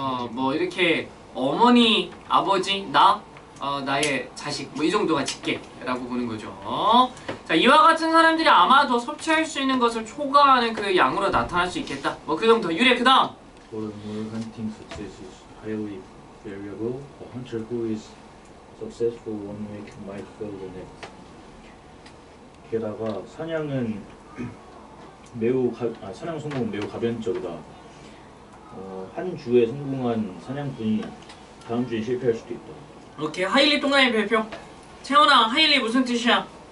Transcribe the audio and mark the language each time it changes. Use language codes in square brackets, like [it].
[ko] 뭐 이렇게 어머니, 아버지, 나, 나의 자식 뭐 이 정도가 직계라고 보는 거죠. 자 이와 같은 사람들이 아마도 섭취할 수 있는 것을 초과하는 그 양으로 나타날 수 있겠다. 뭐 그 정도. 유래 그 다음. [en] For more hunting successes, highly variable. A hunter who is successful one week might fail the next. [ko] 게다가 사냥은 매우 사냥 성공은 매우 가변적이다. 한 주에 성공한 사냥꾼이 다음 주에 실패할 수도 있다. 오케이. 하일리 동남의 발표. 채원아 하일리 무슨 뜻이야?